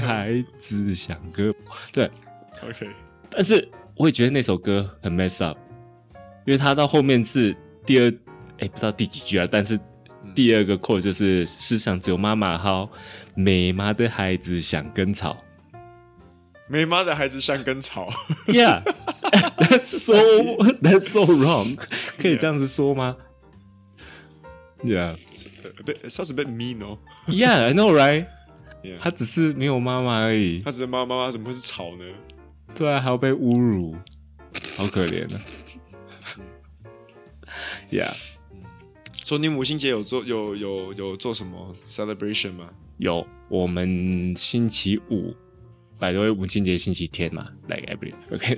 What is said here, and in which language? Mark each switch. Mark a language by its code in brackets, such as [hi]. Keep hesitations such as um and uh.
[zh] 孩子像根对，OK。但是我也觉得那首歌很 [en] mess up， [zh] 因为他到后面是第二，哎、欸，不知道第几句了、啊。但是第二个 core 就是世上只有妈妈好，没妈的孩子像根草，没妈的孩子像根草。 [en] Yeah，that's so that's so wrong。 [zh] 可以这样子说吗？Yeah, [en] it sounds a, a bit mean, no?、Oh. Yeah, I know, right? Yeah. [zh] 他只是没有妈妈而已，他只是妈妈，怎么会是草呢？对、啊，还要被侮辱，好可怜呢、啊。 [en] yeah. [zh] 说、so、你母亲节有做有有有做什么 celebration 吗？有，我们星期五，拜托母亲节星期天嘛， [en] like every, OK？